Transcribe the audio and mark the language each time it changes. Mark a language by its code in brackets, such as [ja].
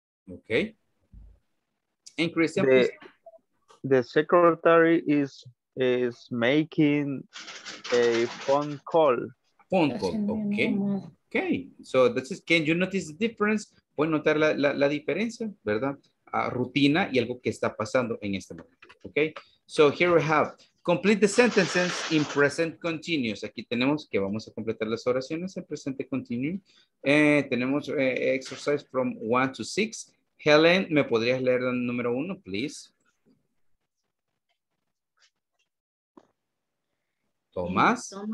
[en] Okay. Increase the secretary is making a phone call. Phone call, okay. Okay, so this is, can you notice the difference? [es] Pueden notar la diferencia, ¿verdad? Rutina y algo que está pasando en este momento, okay? [en] So here we have, complete the sentences in present continuous. [es] Aquí tenemos que vamos a completar las oraciones en presente continuous. [en] Tenemos exercise from 1 to 6. [es] Helen, ¿me podrías leer el número 1, please? Tomás.